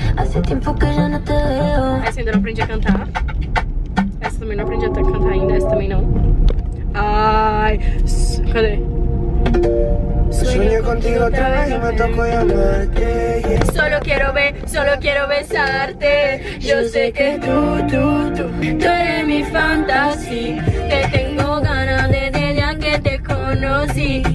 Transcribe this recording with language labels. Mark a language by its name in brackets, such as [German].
[Spanish] Hace tiempo que ya no te veo. [Portuguese] Essa ainda não aprendi a cantar. Essa também não aprendi a cantar ainda. Essa também não. Ai. Cadê? [Spanish] Sueño contigo otra vez y me toco llamarte, [English] yeah. [Spanish] Solo quiero ver, solo quiero besarte. Yo sé que tú, tú eres mi fantasía. Te tengo ganas desde el día que te conocí.